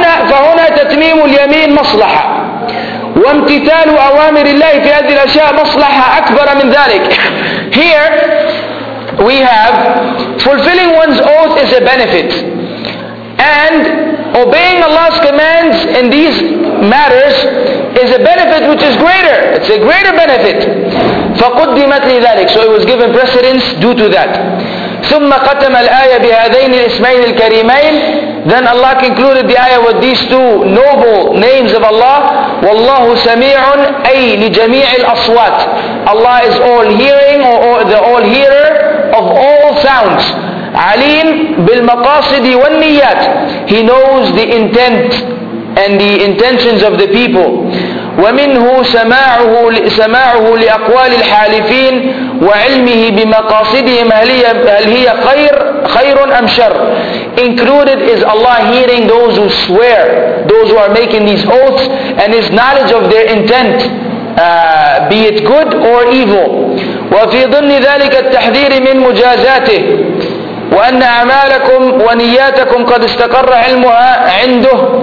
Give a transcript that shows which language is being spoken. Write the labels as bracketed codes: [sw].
[ar] فهنا تتميم اليمين مصلحة وامتثال أوامر الله في هذه الأشياء مصلحة أكبر من ذلك. [en] Here we have fulfilling one's oath is a benefit, and obeying Allah's commands in these matters is a benefit which is greater. It's a greater benefit. [ar] فقدمت لذلك. [en] So it was given precedence due to that. [ar] ثم قتم الآية بهذين الاسمين الكريمين. [en] Then Allah concluded the ayah with these two noble names of Allah. [ar] والله سميع أي لجميع الأصوات. [en] Allah is all hearing, or the all hearer of all sounds. [ar] عليم بالمقاصد والنيات. [en] He knows the intent and the intentions of the people. [ar] ومنه سماعه لأقوال الحالفين وعلمه بمقاصدهم هل هي خير أم شر. [en] Included is Allah hearing those who swear, those who are making these oaths, and His knowledge of their intent, be it good or evil. [ar] وفي ضمن ذلك التحذير من مجازاته وأن أعمالكم ونياتكم قد استقر علمها عنده.